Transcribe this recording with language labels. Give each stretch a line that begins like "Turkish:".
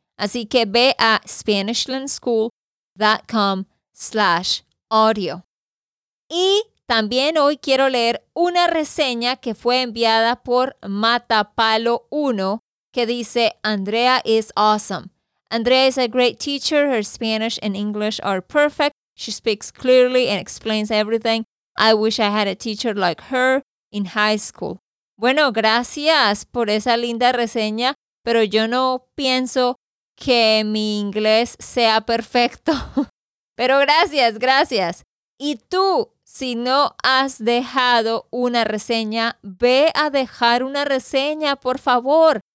Spanish: Así que ve a SpanishLandSchool.com/audio. Y también hoy quiero leer una reseña que fue enviada por Matapalo1 que dice,
English: Andrea is awesome. Andrea is a great teacher. Her Spanish and English are perfect. She speaks clearly and explains everything. I wish I had a teacher like her in high school.
Spanish: Bueno, gracias por esa linda reseña, pero yo no pienso que mi inglés sea perfecto. Pero gracias, gracias. ¿Y tú? Si no has dejado una reseña, ve a dejar una reseña, por favor.